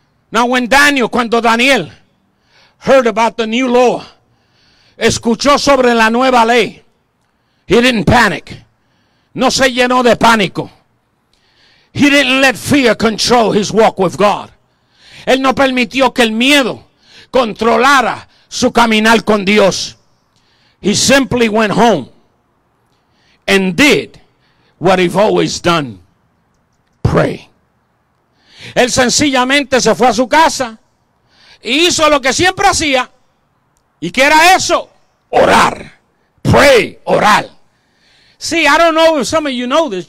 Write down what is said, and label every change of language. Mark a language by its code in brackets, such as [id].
[en] Now when Daniel, [es] cuando Daniel [en] heard about the new law, [es] escuchó sobre la nueva ley, [en] he didn't panic. [es] No se llenó de pánico. [en] He didn't let fear control his walk with God. [es] Él no permitió que el miedo controlara su caminar con Dios. [en] He simply went home and did what he've always done. Pray. [es] Él sencillamente se fue a su casa y hizo lo que siempre hacía. ¿Y qué era eso? Orar. Pray, orar. [en] See, I don't know if some of you know this.